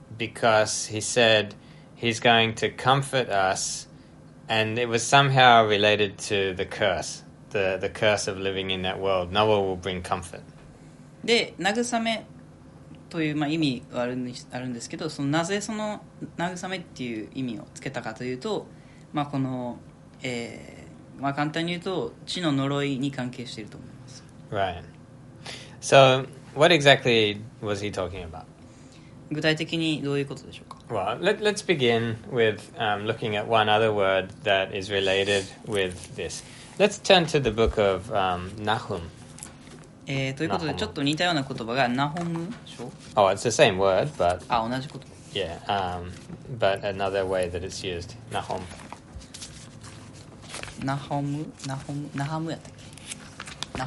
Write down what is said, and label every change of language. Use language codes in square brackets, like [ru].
[en] Because he said he's going to comfort us, and it was somehow related to the curse, the curse of living in that world. Noah will bring comfort. [ja] で、慰めという、まあ、意味はあるんですけど、そのなぜその慰めっていう意味をつけたかというと、まあ、この、まあ、簡単に言うと、地の呪いに関係していると思います。 [en] Right. So, what exactly was he talking about? [ja] 具体的にどういうことでしょうか。 [en] Well, let's begin with looking at one other word that is related with this. Let's turn to the book of Nahum. [ja] ということでちょっと似たような言葉がナホム書。 [en] Oh, it's the same word, but [ja] あ同じこと。 [en] Yeah, but another way that it's used, ナホム。 [ja] ナホム、ナホム、ナハムやったっけ？